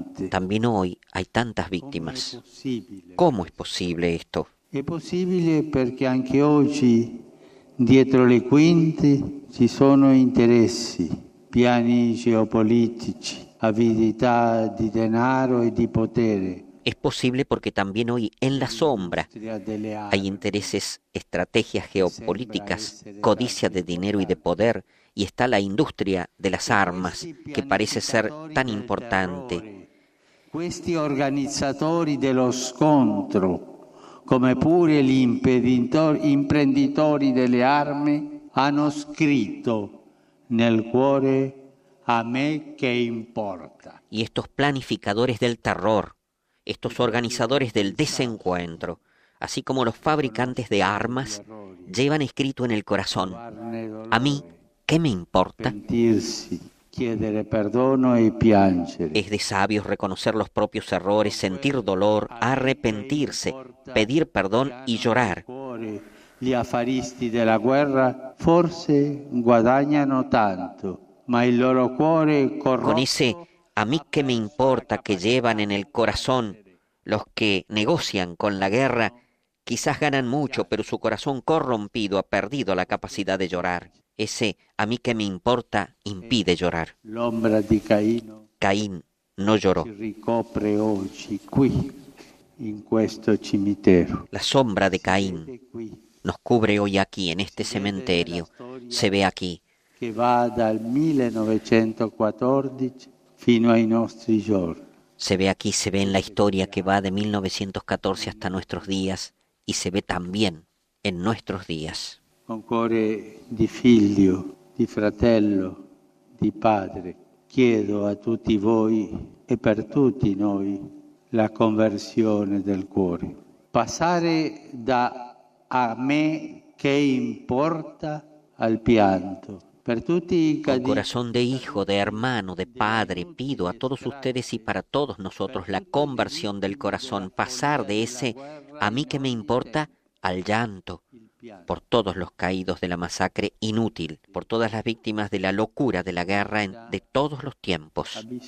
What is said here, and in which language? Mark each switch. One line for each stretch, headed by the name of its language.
Spanish: También hoy hay tantas víctimas. ¿Cómo es posible esto? Es posible porque
Italian: anche oggi dietro le quinte ci sono interessi, piani geopolitici, avidità di denaro e di potere.
Spanish: Es posible porque también hoy en la sombra hay intereses, estrategias geopolíticas, codicia de dinero y de poder, y está la industria de las armas, que parece ser tan importante.
Italian: Questi organizzatori dello scontro, come pure gli imprenditori delle armi, hanno scritto nel cuore a me che importa.
Spanish: Y estos planificadores del terror, estos organizadores del desencuentro, así como los fabricantes de armas, llevan escrito en el corazón, a mí, ¿qué me importa? Es de sabios reconocer los propios errores, sentir dolor, arrepentirse, pedir perdón y llorar.
Italian: Gli affaristi della guerra forse guadagnano tanto, ma il loro cuore corrotto.
Spanish: Con ese a mí, ¿qué me importa?, que llevan en el corazón los que negocian con la guerra, quizás ganan mucho, pero su corazón corrompido ha perdido la capacidad de llorar. Ese a mí que me importa impide llorar.
Italian: L'ombra di Caino.
Spanish: Caín no lloró.
Italian: Si ricopre oggi qui in questo cimitero.
Spanish: La sombra de Caín nos cubre hoy aquí, en este cementerio. Se ve aquí.
Italian: Que va dal 1914 fino ai nostri giorni.
Spanish: Se ve aquí, se ve en la historia que va de 1914 hasta nuestros días y se ve también en nuestros días.
Italian: Con cuore di figlio, di fratello, di padre, chiedo a tutti voi e per tutti noi la conversione del cuore. Passare da a me che importa al pianto.
Spanish: Con corazón de hijo, de hermano, de padre, pido a todos ustedes y para todos nosotros la conversión del corazón, pasar de ese a mí que me importa al llanto por todos los caídos de la masacre inútil, por todas las víctimas de la locura de la guerra de todos los tiempos.